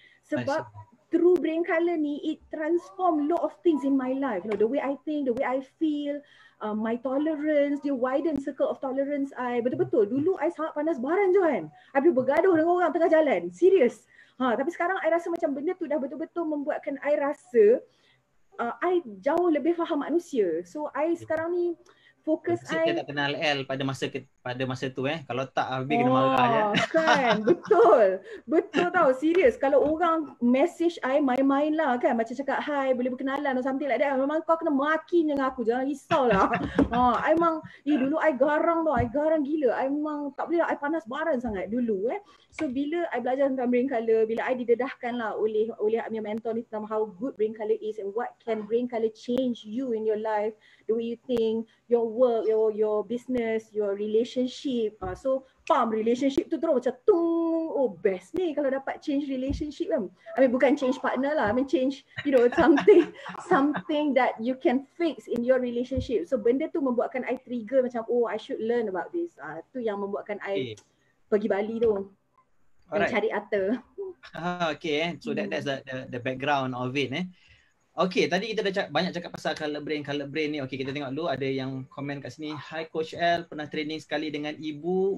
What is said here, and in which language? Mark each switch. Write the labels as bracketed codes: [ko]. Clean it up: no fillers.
[en] Sebab through Brain Color ni, it transform lot of things in my life. You know, the way I think, the way I feel, my tolerance, dia widen circle of tolerance I. [ms] Betul-betul, dulu I sangat panas baran je kan. I pergi bergaduh dengan orang tengah jalan. Serius. Ha, tapi sekarang I rasa macam benda tu dah betul-betul membuatkan I rasa I jauh lebih faham manusia. So I sekarang ni, fokus saya tak kenal L pada masa tu. Kalau tak, habis kena marah je. Kan, betul. Betul tau, serius. Kalau orang message I main-main lah kan. Macam cakap, hi, boleh berkenalan [en] or something like that. [ms] Memang kau kena makin dengan aku. Jangan risau lah. I memang, dulu I garang tau. I garang gila. I memang tak boleh lah. I panas baran sangat dulu. [en] So, [ms] bila I belajar tentang brain color, bila I didedahkan lah oleh my mentor ni tentang [en] how good brain color is and what can brain color change you in your life, the way you think, your work, your business, your relationship. [ms] So, pam, relationship tu terus macam tung. Oh, best ni kalau dapat change relationship kan. [en] I mean, [ms] bukan change partner lah. [en] I mean, change, you know, something that you can fix in your relationship. [ms] So, benda tu membuatkan I trigger macam, oh, [en] I should learn about this. [ms] Tu yang membuakan I pergi Bali tu. Alright. Cari atta. [en] So that's the background of it. [ms] Okay, tadi kita dah banyak cakap pasal color brain ni. Okay, kita tengok dulu ada yang komen kat sini. Hi Coach L, pernah training sekali dengan ibu.